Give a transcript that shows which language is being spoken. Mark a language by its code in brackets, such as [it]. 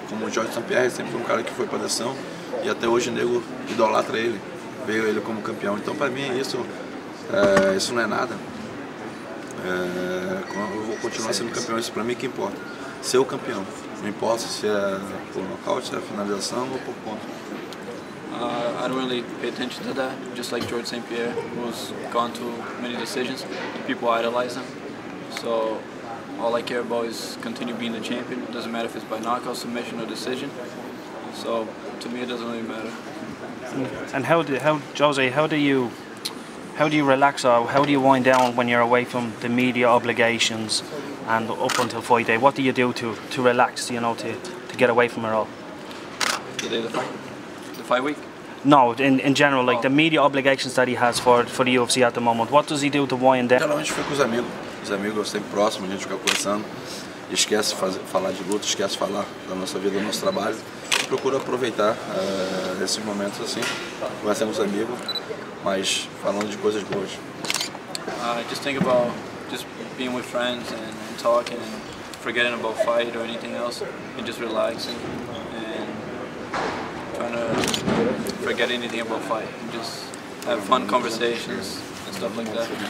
[pt] Como o Jorge Sampierre sempre foi um cara que foi para a decisão e até hoje o nego idolatra ele, veio ele como campeão. Então, para mim, isso, é, isso não é nada. É, eu vou continuar sendo campeão, isso para mim é que importa. Ser o campeão, não importa se é por nocaute, se é finalização ou por ponto. [en] I don't really pay attention to that, just like George St. Pierre, who's gone to many decisions, people idolize him. So all I care about is continue being the champion. It doesn't matter if it's by knockout, submission or decision. So to me it doesn't really matter. And how do you relax or how do you wind down when you're away from the media obligations and up until fight day? What do you do to relax, you know, to get away from it all? The fight week? No, in general, like the media obligations that he has for the UFC at the moment. What does he do to wind down? [pt] Geralmente fica com os amigos. Os amigos sempre próximos, a gente fica conversando. Esquece falar de luta, esquece falar da nossa vida, do nosso trabalho. Procura aproveitar esses momentos assim, conversando com os amigos, mas falando de coisas boas. [en] Just think about just being with friends and talking and forgetting about fight or anything else and just relaxing and trying to forget anything about fight and just have fun conversations and stuff like that.